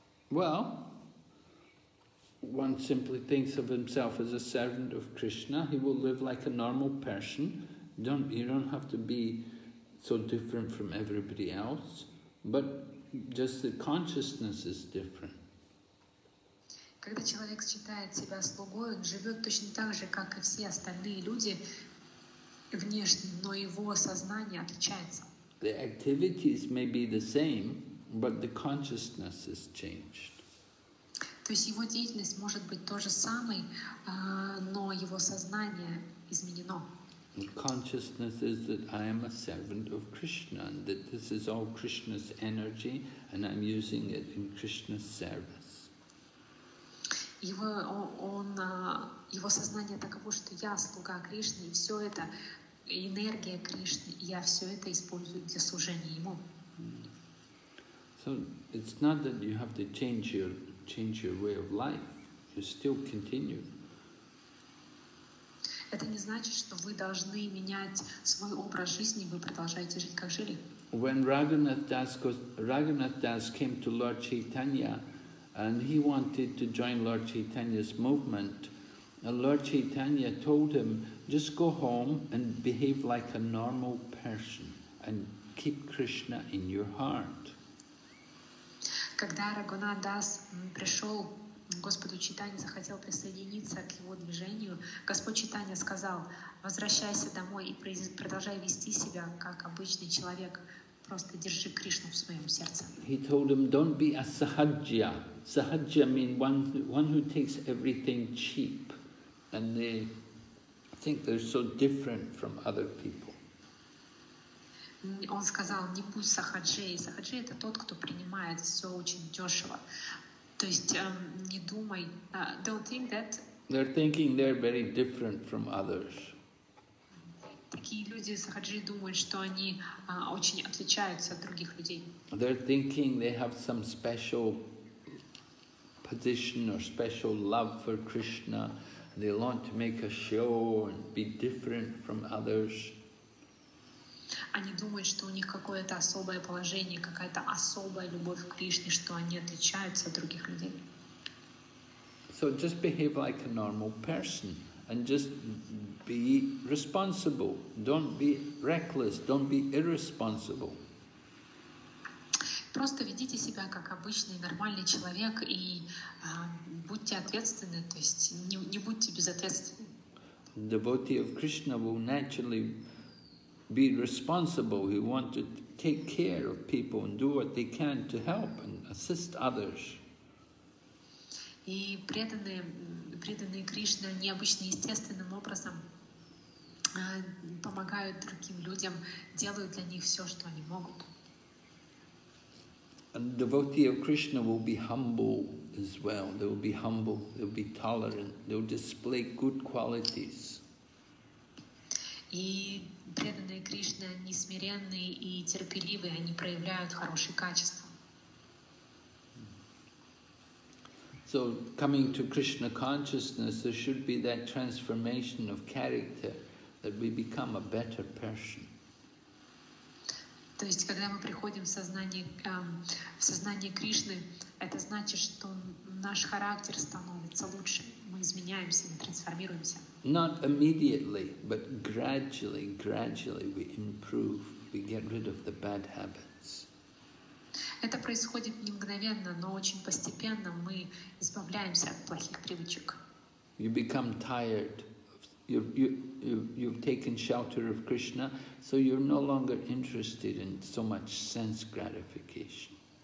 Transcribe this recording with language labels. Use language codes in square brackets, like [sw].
[en] Well, one simply thinks of himself as a servant of Krishna. He will live like a normal person. You don't have to be so different from everybody else, but just the consciousness is different. [ru] Когда человек считает себя слугой, он живет точно так же, как и все остальные люди внешне, но его сознание отличается. [en] The activities may be the same, but the consciousness is changed. [ru] То есть его деятельность может быть то же самое, но его сознание изменено. [en] Consciousness is that I am a servant of Krishna, and that this is all Krishna's energy, and I'm using it in Krishna's service. [ru] Его сознание таково, что я слуга Кришны, и все это энергия Кришны, и я все это использую для служения Ему. [en] So it's not that you have to change your way of life. You still continue. [ru] Это не значит, что вы должны менять свой образ жизни, вы продолжаете жить, как жили. [en] When Raghunath Das came to Lord Chaitanya, and he wanted to join Lord Chaitanya's movement, and Lord Chaitanya told him, just go home and behave like a normal person, and keep Krishna in your heart. [ru] Когда Raghunath Das пришел Господу Чайтанье, захотел присоединиться к его движению, Господь Чайтанье сказал: возвращайся домой и продолжай вести себя как обычный человек, просто держи Кришну в своем сердце. [en] He told him, don't be a sahajya. Sahajya means one who takes everything cheap, and they think they're so different from other people. [ru] Он сказал: не будь сахаджей. Сахаджей — это тот, кто принимает все очень дешево. То есть не думай, [en] don't think that. They're thinking they're very different from others. [ru] Такие люди сахаджи думают, что они очень отличаются от других людей. [en] They're thinking they have some special position or special love for Krishna. They want to make a show and be different from others. [ru] Они думают, что у них какое-то особое положение, какая-то особая любовь к Кришне, что они отличаются от других людей. [en] So just behave like a normal person and just be responsible. Don't be reckless, don't be irresponsible. [ru] Просто ведите себя как обычный, нормальный человек и будьте ответственны, то есть не будьте безответственны. [en] Devotee of Krishna will naturally be responsible. He wants to take care of people and do what they can to help and assist others. [ru] И преданные Кришне необычно естественным образом помогают другим людям, делают для них все, что они могут. [en] And devotee of Krishna will be humble as well. They will be humble. They will be tolerant. They will display good qualities. [ru] И преданные Кришне, они смиренные и терпеливые, они проявляют хорошие качества. [en] So, coming to Krishna consciousness, there should be that transformation of character, that we become a better person. [ru] То есть, когда мы приходим в сознание Кришны, это значит, что наш характер становится лучше. Мы изменяемся, мы трансформируемся. [en] Not immediately, but gradually we improve, we get rid of the bad habits. [ru] Это происходит не мгновенно, но очень постепенно мы избавляемся от плохих привычек. [en] You become tired. You've taken shelter of Krishna, so you're no longer interested in so much sense gratification.